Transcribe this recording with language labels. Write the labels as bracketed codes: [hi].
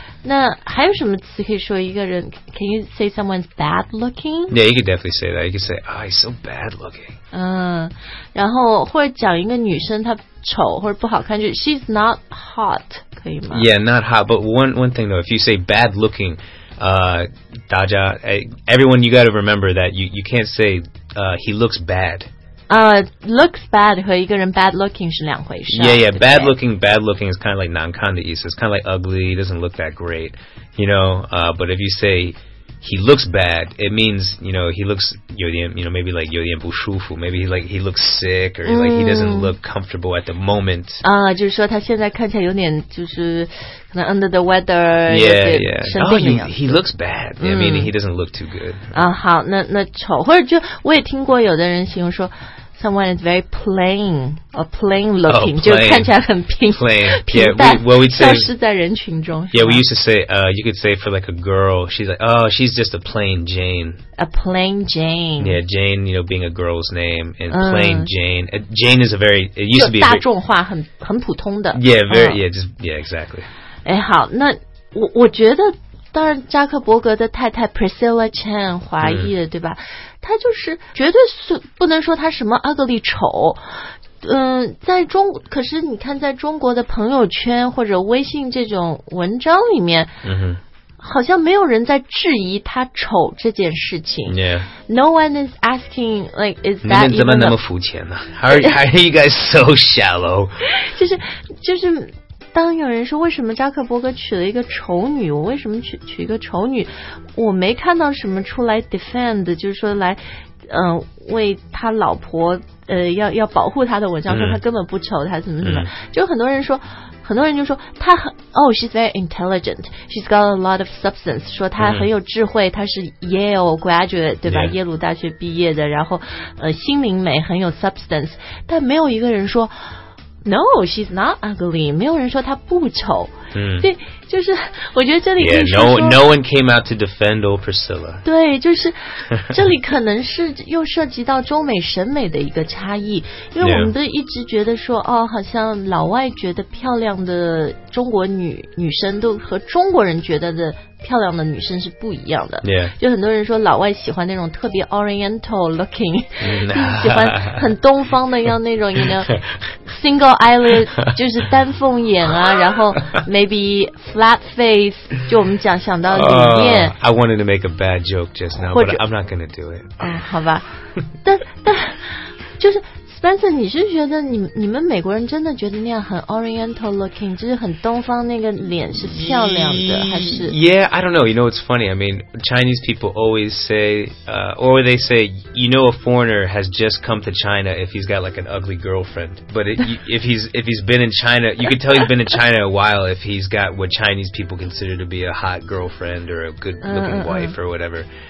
[zh] 那还有什么词可以说一个人 ？ [en] Can you say someone's bad looking? Yeah, you could definitely say that. You could say, "Oh, he's so bad looking." [zh] 然后或者讲一个女生她丑或者不好看，就是 [en] she's not hot， [zh] 可以吗 [en] ？Yeah, not hot. But one thing though, if you say bad looking, Daja, everyone, you got to remember that you can't say he looks bad. [zh] Looks bad 和一个人 bad looking 是两回事。 [en] Yeah, bad looking is kind of like [zh] 难看的意思。 [en] It's kind of like ugly, doesn't look that great, you know. But if you say he looks bad, it means, you know, he looks [zh] 有点 [en] you know, maybe like [zh] 有点不舒服 [en] maybe like he looks sick or like he doesn't look comfortable at the moment. [zh] 就是说他现在看起来有点就是可能 [en] under the weather. He looks bad. Yeah, I mean, he doesn't look too good. [zh] 好，那丑，或者就我也听过有的人形容说 [en] someone is very plain or plain looking, [zh] 就看起来很平淡，消失在人群中。 [en] Yeah, we used to say, you could say for like a girl, she's like, oh, she's just a plain Jane. A plain Jane. Yeah, Jane, you know, being a girl's name, and plain Jane. Jane is a very, it used to be [zh] 大众化，很普通的。 [en] Yeah, very, yeah, just, yeah, exactly. [zh] 哎，好，那我觉得，当然，扎克伯格的太太 Priscilla Chan 华裔的，对吧？她就是绝对不能说她什么 ugly 丑。在中，可是你看，在中国的朋友圈或者微信这种文章里面，好像没有人在质疑她丑这件事情。 [en] Yeah. No one is asking like is that [zh] 你们怎么那么肤浅呢、？ [en] How are you guys so shallow？ [zh] 就是。当有人说为什么扎克伯格娶了一个丑女，我为什么娶一个丑女，我没看到什么出来 defend， 就是说来为他老婆要保护他的文章，说他根本不丑，他怎么怎么就很多人就说他很 [en] she's very intelligent, she's got a lot of substance, [zh] 说他很有智慧，他是 Yale graduate, 对吧、耶鲁大学毕业的，然后心灵美，很有 substance, 但没有一个人说 [en] No, she's not ugly. [zh] 没有人说她不丑。嗯、对，就是我觉得这里可以说 [en] yeah, no one came out to defend old Priscilla. [zh] 对，就是这里可能是又涉及到中美审美的一个差异，因为我们都一直觉得说、 [en] yeah. [zh] 哦，好像老外觉得漂亮的中国女生都和中国人觉得的漂亮的女生是不一样的、 [en] yeah. [zh] 就很多人说老外喜欢那种特别 oriental looking、 [en] nah. [zh] 喜欢很东方的要那种 [en] you know, single eyelid [zh] 就是单凤眼啊然后 [en] maybe flat face [zh] 就我们讲想到里面、 [en] I wanted to make a bad joke just now but I'm not gonna do it、 [zh] 好吧但就是Spencer, 你是觉得你们美国人真的觉得那样很 oriental looking, 就是很东方那个脸是漂亮的还是 [en] Yeah, I don't know. You know, it's funny. I mean, Chinese people always say, or they say, you know, a foreigner has just come to China if he's got like an ugly girlfriend. But if he's been in China, you can tell he's been in China a while if he's got what Chinese people consider to be a hot girlfriend or a good looking wife or whatever.